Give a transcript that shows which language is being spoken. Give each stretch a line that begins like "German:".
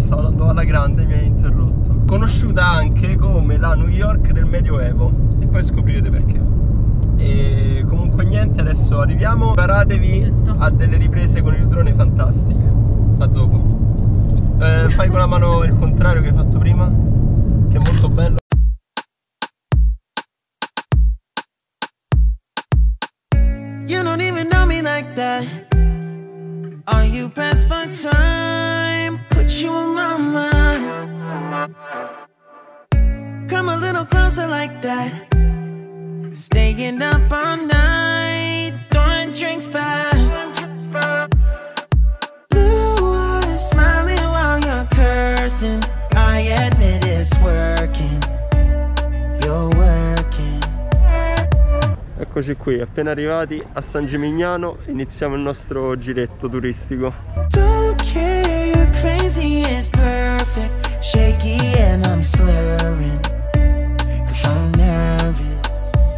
Italian: Stavo andando alla grande e mi hai interrotto. Conosciuta anche come la New York del Medioevo. Poi scoprirete perché. E comunque niente, adesso arriviamo. Preparatevi a delle riprese con il drone fantastiche. A dopo. Fai con la mano il contrario che hai fatto prima, che è molto bello.
English: You don't even know me like that. Are you past my time? Put you on my mind. Come a little closer like that. Staying up all night, throwing drinks back. Blue eyes smiling while you're cursing. I admit it's working. You're working.
Italian: Eccoci qui, appena arrivati a San Gimignano, iniziamo il nostro giretto turistico.
English: Don't care, you're crazy, it's perfect. Shaky and I'm slurring. Cause I'm nervous.